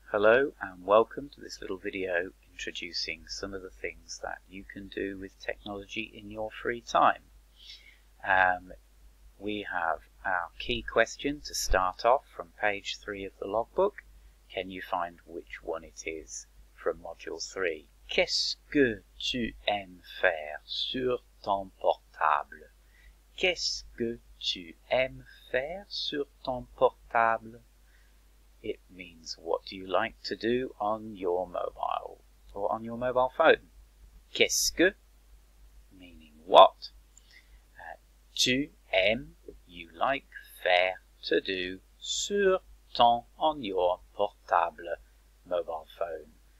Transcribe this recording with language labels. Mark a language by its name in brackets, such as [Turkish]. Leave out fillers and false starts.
[English] Hello and welcome to this little video introducing some of the things that you can do with technology in your free time. We have our key question to start off from page 3 of the logbook. Can you find which one it is from module 3? [French] Qu'est-ce que tu aimes faire sur ton portable? Qu'est-ce que tu aimes faire sur ton portable? [English] It means, what do you like to do on your mobile or on your mobile phone? [French] Qu'est-ce que, [English] meaning what, [French] tu aimes, [English] you like, [French] faire, [English] to do, [French] sur ton, [English] on your [French] portable [English] mobile phone.